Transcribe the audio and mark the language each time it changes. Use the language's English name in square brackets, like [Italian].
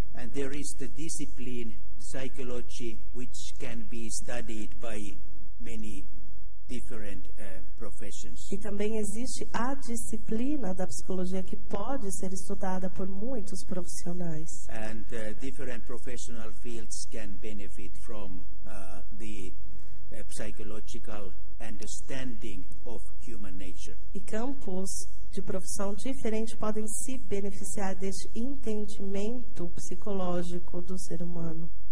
[English] And there is the discipline psychology which can be studied by many different professions. [Portuguese] E também existe a disciplina da psicologia que pode ser estudada por muitos profissionais. [English] And different professional fields can benefit from the psychological understanding of human nature. [Portuguese] E campos de profissão diferente podem se beneficiar deste entendimento psicológico do ser humano.